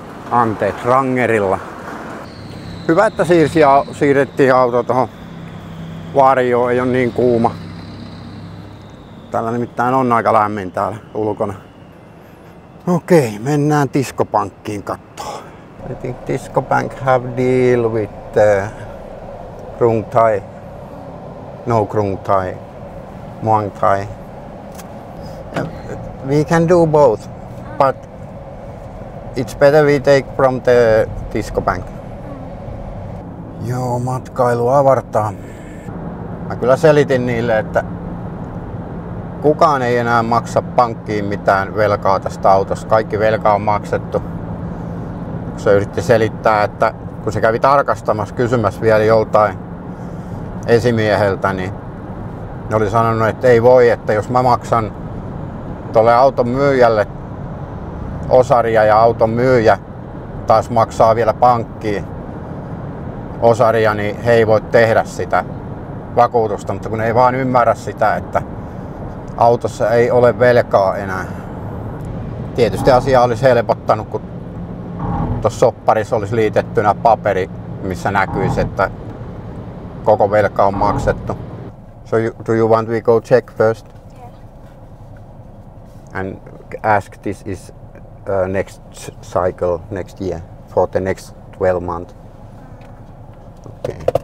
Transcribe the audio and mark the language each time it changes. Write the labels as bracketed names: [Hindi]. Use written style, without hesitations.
[Finnish] Anteeksi, rangerilla. Hyvä, että siirrettiin auto tuohon varjoon, ei ole niin kuuma. Täällä nimittäin on aika lämmin täällä ulkona. Okei, mennään diskopankkiin kattoo. [English] I think diskobank have deal with Krung Thai. No Krung Thai. Muang Thai. We can do both, but it's better we take from the disco bank. [Finnish] Joo, matkailu avartaa. Mä kyllä selitin niille, että kukaan ei enää maksa pankkiin mitään velkaa tästä autosta. Kaikki velka on maksettu. Se yritti selittää, että kun se kävi tarkastamassa kysymässä vielä joltain esimieheltä, niin ne oli sanonut, että ei voi, että jos mä maksan tuolle auton myyjälle osaria ja auton myyjä taas maksaa vielä pankkiin osaria, niin he ei voi tehdä sitä vakuutusta, mutta kun ei vaan ymmärrä sitä, että autossa ei ole velkaa enää. Tietysti asia olisi helpottanut, kun tuossa sopparissa olisi liitettynä paperi, missä näkyisi, että koko velka on maksettu. [English] So do you want we go check first? And ask this is next cycle, next year, for the next 12 months. Okay.